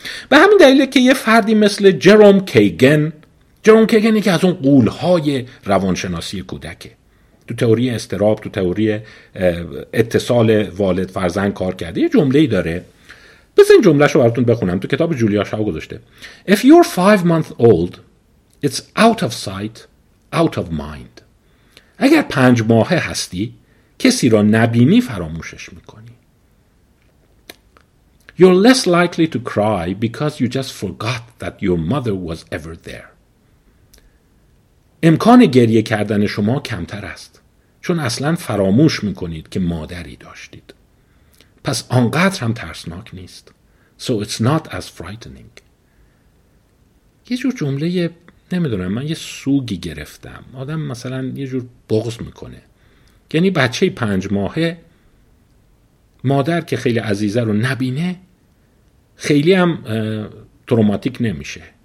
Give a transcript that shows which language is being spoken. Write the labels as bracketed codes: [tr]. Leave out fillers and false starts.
[fa] به همین دلیله که یه فردی مثل جروم کیگن یکی از اون قولهای روانشناسی کودکه، تو تئوری استراب، تو تئوری اتصال والد فرزند کار کرده، یه جمله‌ای داره. بزن جمله شو براتون بخونم، تو کتاب جولیا شاو گذاشته. [en] If you're 5 months old, it's out of sight, out of mind. [fa] اگر 5 ماهه هستی، کسی را نبینی فراموشش میکنی. [en] You're less likely to cry because you just forgot that your mother was ever there. [fa] امکان گریه کردن شما کمتر است، چون اصلا فراموش میکنید که مادری داشتید. پس آنقدر هم ترسناک نیست. [en] So it's not as frightening. [fa] یه جور جمله یه نمیدونم، من یه سوگی گرفتم. آدم مثلا یه جور بغض میکنه. یعنی بچه 5 ماهه مادر که خیلی عزیزه رو نبینه خیلی هم تروماتیک نمیشه.